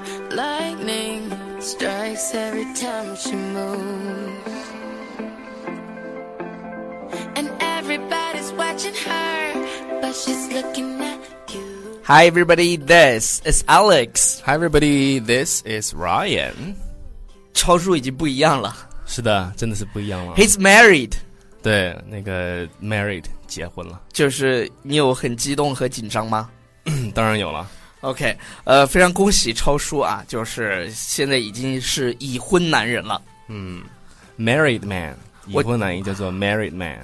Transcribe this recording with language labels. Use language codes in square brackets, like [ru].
[en] Lightning strikes every time she moves. And everybody's watching her, but she's looking at you. Hi everybody, this is Alex. Hi everybody, this is Ryan. [zh] 超叔已经不一样了。是的，真的是不一样了。 [en] He's married. [zh] 对，那个 married 结婚了。就是你有很激动和紧张吗？当然有了。 OK， 非常恭喜超叔啊，就是现在已经是已婚男人了。嗯， married man， 已婚男人叫做 married man。